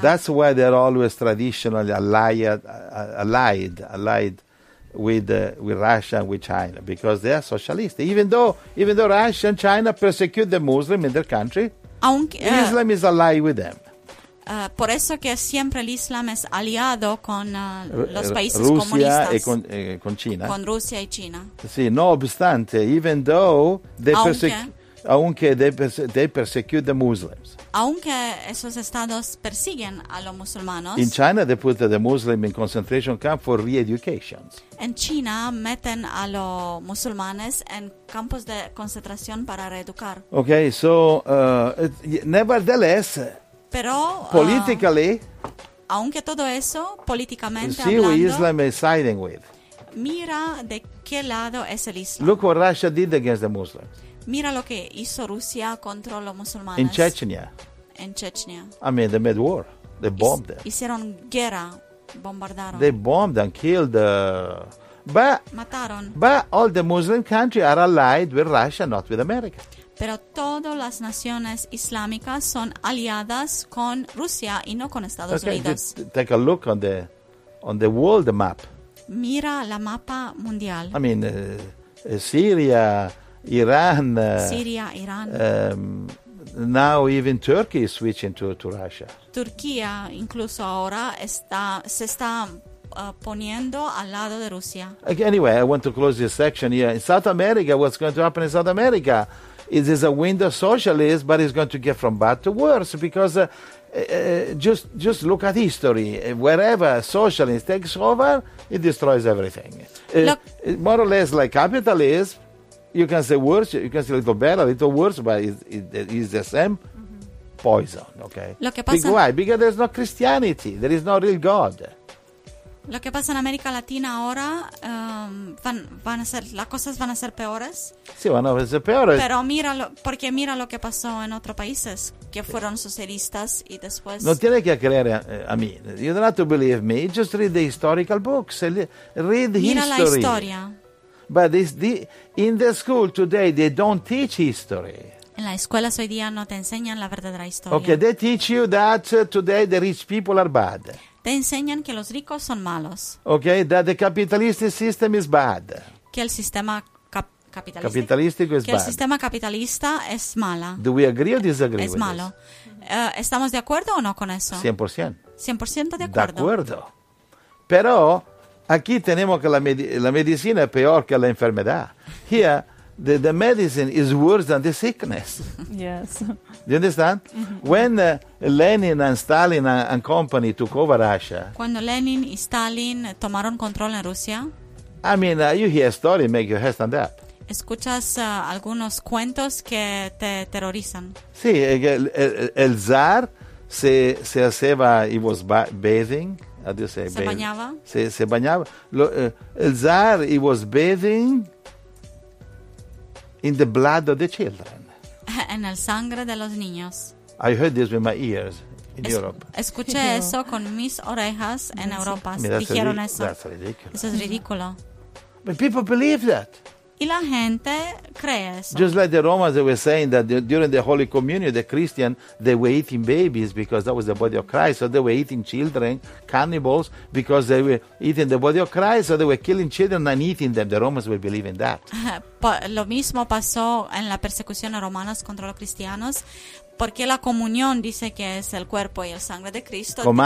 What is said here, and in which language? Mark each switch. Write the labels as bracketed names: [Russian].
[English] That's why they're always traditionally allied with Russia and with China, because they are socialist. Even though Russia and China persecute the Muslim in their country, Islam is allied with them. [Spanish] Por eso que siempre el Islam es aliado con los países Rusia comunistas. Con China. Con Rusia y China. Sí, no obstante, [English] even though they persecute the Muslims. [Spanish] Aunque esos estados persiguen a los musulmanos. [English] In China, they put the Muslim in concentration camp for re-education. [Spanish] En China, meten a los musulmanes en campos de concentración para reeducar. [English] Okay, so, nevertheless... [Spanish] Pero, [English] politically, [Spanish] aunque todo eso, políticamente [English] see [Spanish] hablando, [English] who Islam is siding with. [Spanish] Mira de qué lado es el Islam. [English] Look what Russia did against the Muslims. [Spanish] Mira lo que hizo Rusia contra los musulmanes. [English] In Chechnya. [Spanish] En Chechnya. [English] I mean, they made war. They bombed them. [Spanish] Hicieron guerra, bombardaron. [English] They bombed and killed. [Spanish] Mataron. [English] But all the Muslim countries are allied with Russia, not with America. [Spanish] Pero todas las naciones islámicas son aliadas con Rusia y no con Estados Unidos. [English] Take a look on the world map. [Spanish] Mira la mapa mundial. [English] I mean, Siria, Irán. Now even Turkey is switching to Russia. [Spanish] Turquía incluso ahora se está poniendo al lado de Rusia. [English] Okay, anyway, I want to close this section here. In South America, what's going to happen in South America? It is a wind of socialism, but it's going to get from bad to worse, because just look at history. Wherever socialism takes over, it destroys everything. More or less like capitalism, you can say worse, you can say a little better, a little worse, but it is the same poison, okay? [Spanish] Lo que pasa, [English] why? Because there's no Christianity, there is no real God. [Spanish] Lo que pasa en América Latina ahora, las cosas van a ser peores. Sí, van a ser peores. Pero mira lo que pasó en otros países que fueron socialistas y después. No tiene que creer a mí. [English] You don't have to believe me. Just read the historical books. Read [Spanish] mira [English] history. [Spanish] Mira la historia. [English] But in the school today they don't teach history. [Spanish] En la escuela hoy día no te enseñan la verdadera historia. [English] Okay, they teach you that today the rich people are bad. [Spanish] Te enseñan que los ricos son malos. [English] Okay, that the capitalist system is bad. [Spanish] Que el sistema capitalístico es [English] bad. [Spanish] Que el sistema capitalista es mala. [English] Do we agree or disagree? [Spanish] Es malo. ¿Estamos de acuerdo o no con eso? 100% de acuerdo. De acuerdo. Pero aquí tenemos que la medicina es peor que la enfermedad. [English] Here the medicine is worse than the sickness. Yes. Do you understand? Mm-hmm. When Lenin and Stalin and company took over Russia. [Spanish] Cuando Lenin y Stalin tomaron control en Rusia. [English] I mean, you hear a story, make your head stand up. [Spanish] Escuchas algunos cuentos que te terrorizan. Sí, el zar se hacía, [English] he was bathing. How do you say? [Spanish] Se bañaba. Se bañaba. El zar, [English] he was bathing in the blood of the children. [Spanish] En el sangre de los niños. [English] I heard this with my ears in Europe. [Spanish] Escuché eso con mis orejas en Europa. Mira, dijeron eso. [English] That's ridiculous. [Spanish] Eso es ridículo. [English] But people believe that. [Spanish] Y la gente cree eso. [English] Just like the Romans, they were saying that during the Holy Communion, the Christian, they were eating babies because that was the body of Christ. So they were eating children, cannibals, because they were eating the body of Christ. So they were killing children and eating them. The Romans were believing that. [Spanish] Lo mismo pasó en la persecución romana contra los cristianos. Porque la comunión dice que es el cuerpo y la sangre de Cristo.